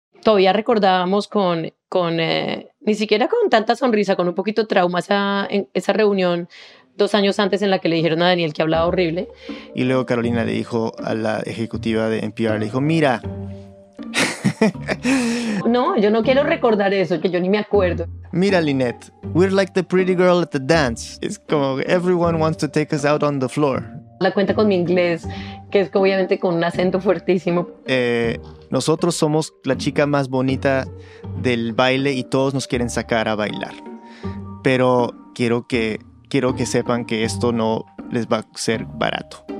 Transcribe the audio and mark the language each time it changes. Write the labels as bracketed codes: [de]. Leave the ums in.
[es] Todavía recordábamos con, con eh, ni siquiera con tanta sonrisa, con un poquito de trauma esa, en esa reunión, dos años antes en la que le dijeron a Daniel que hablaba horrible. Y luego Carolina le dijo a la ejecutiva de NPR, le dijo, mira. no, yo no quiero recordar eso, que yo ni me acuerdo. Mira, [en] Lynette, we're like the pretty girl at the dance. It's como everyone wants to take us out on the floor. [es] La cuenta con mi inglés, que es obviamente con un acento fuertísimo. Eh, nosotros somos la chica más bonita del baile y todos nos quieren sacar a bailar. Pero quiero que quiero que sepan que esto no les va a ser barato.